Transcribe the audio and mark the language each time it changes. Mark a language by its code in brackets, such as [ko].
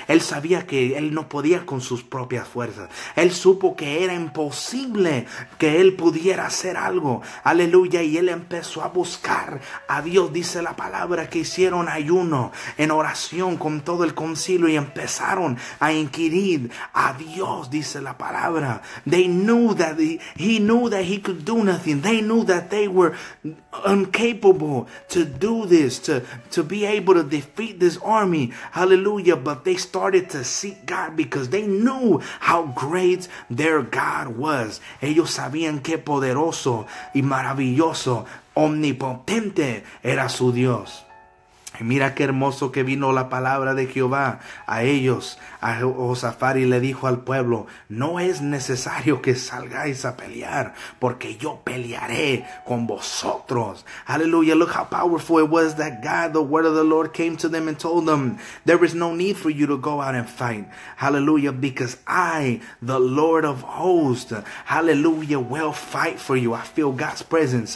[es] Él sabía que él no podía con sus propias fuerzas. Él supo que era imposible que él pudiera hacer algo. Aleluya. Y él empezó a buscar a Dios. Dice la palabra que hicieron ayuno en oración con todo el concilio y empezaron a inquirir a Dios. Dice la palabra. [en] They knew that he knew that he could do nothing. They knew that they were incapable to do this, to be able to defeat this army. Hallelujah. But they started to seek God because they knew how great their God was. [es] Ellos sabían qué poderoso y maravilloso, omnipotente era su Dios. Y mira qué hermoso que vino la palabra de Jehová a ellos, a Josafat, y le dijo al pueblo: no es necesario que salgáis a pelear, porque yo pelearé con vosotros. Aleluya. [en] Look how powerful it was that God, the word of the Lord, came to them and told them, there is no need for you to go out and fight. Hallelujah. Because I, the Lord of hosts, hallelujah, will fight for you. I feel God's presence.